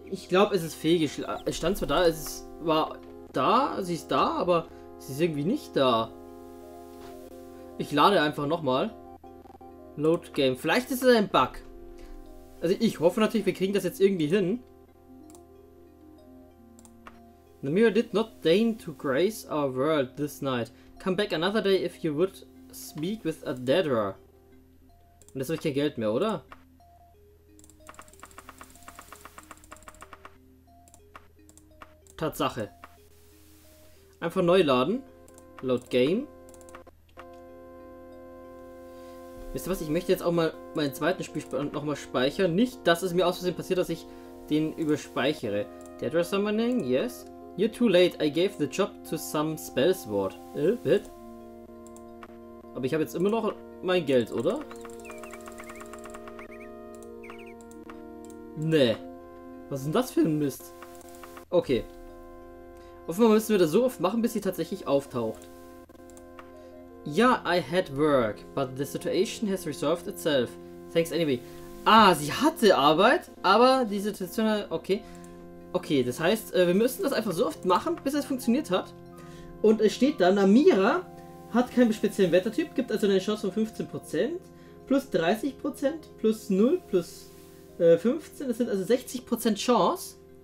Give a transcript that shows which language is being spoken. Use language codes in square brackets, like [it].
[de] Ich glaube, es ist fehlgeschlagen. Es stand zwar da, es war da, sie ist da, aber sie ist irgendwie nicht da. Ich lade einfach nochmal. Load Game. Vielleicht ist es ein Bug. Also ich hoffe natürlich, wir kriegen das jetzt irgendwie hin. [en] Namira did not deign to grace our world this night. Come back another day if you would speak with a Daedra. [de] Und jetzt habe ich kein Geld mehr, oder? Tatsache. Einfach neu laden. Load Game. Wisst ihr was? Ich möchte jetzt auch mal meinen zweiten Spielstand nochmal speichern. Nicht, dass es mir aus Versehen passiert, dass ich den überspeichere. [en] Daedra Summoning, yes. You're too late. I gave the job to some spellsword. Bit. [de] Aber ich habe jetzt immer noch mein Geld, oder? Nee. Was ist denn das für ein Mist? Okay. Offenbar müssen wir das so oft machen, bis sie tatsächlich auftaucht. [en] Ja, I had work, but the situation has resolved itself. Thanks anyway. [de] Ah, sie hatte Arbeit, aber die Situation... Okay. Okay, das heißt, wir müssen das einfach so oft machen, bis es funktioniert hat. Und es steht da, Namira hat keinen speziellen Wettertyp, gibt also eine Chance von 15%, plus 30%, plus 0, plus 15, das sind also 60% Chance.